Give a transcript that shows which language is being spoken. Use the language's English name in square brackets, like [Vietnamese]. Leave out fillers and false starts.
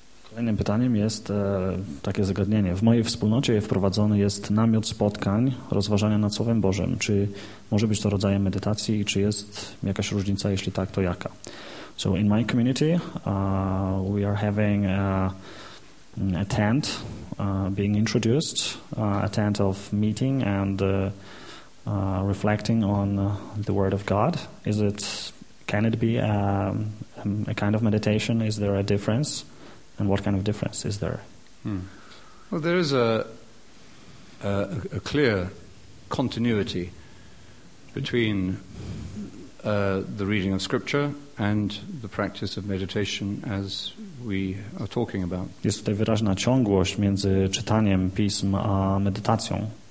[Polish] Kolejnym pytaniem jest takie zagadnienie. W mojej wspólnocie wprowadzony jest namiot spotkań, rozważania nad Słowem Bożym. Czy może być to rodzajem medytacji i czy jest jakaś różnica? Jeśli tak, to jaka? [English] So in my community, we are having a tent being introduced, a tent of meeting and reflecting on the Word of God. Is it, can it be a kind of meditation? Is there a difference? And what kind of difference is there? Hmm. Well, there is a clear continuity between the reading of Scripture and the practice of meditation as we are talking about. [Polish] Jest tutaj wyraźna ciągłość między czytaniem pism a medytacją.